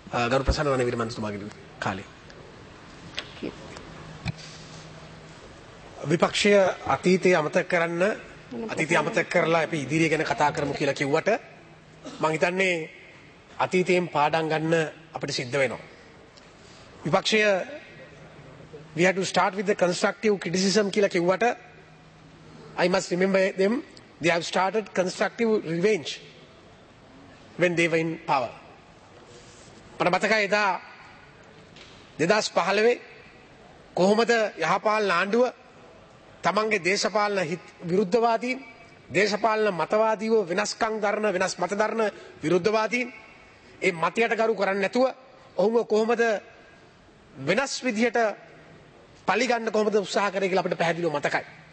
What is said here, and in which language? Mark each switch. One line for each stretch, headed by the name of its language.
Sinhala: ගරු ප්‍රසන්න රණවීර මන්ත්‍රීතුමාගේ කාලය. විපක්ෂය අතීතයේ අමතක කරන්න අතීතයේ අමතක කරලා අපි ඉදිරිය ගැන කතා කරමු කියලා කිව්වට මම හිතන්නේ අතීතයෙන් පාඩම් ගන්න අපිට සිද්ධ වෙනවා. විපක්ෂය
English: we have to start with the constructive criticism
Sinhala: කියලා කිව්වට
English: I must remember them they have started constructive revenge when they were in power.
Sinhala: මට මතකයි එදා 2015 කොහොමද යහපාල ආණ්ඩුව තමන්ගේ දේශපාලන විරුද්ධවාදීන් දේශපාලන මතවාදීව වෙනස්කම් දරන වෙනස් මත දරන විරුද්ධවාදීන් ඒ මතයට ගරු කරන්නේ නැතුව ඔහුව කොහොමද වෙනස් විදිහට පරිගන්න කොහොමද උත්සාහ කරේ කියලා අපිට පැහැදිලිව මතකයි.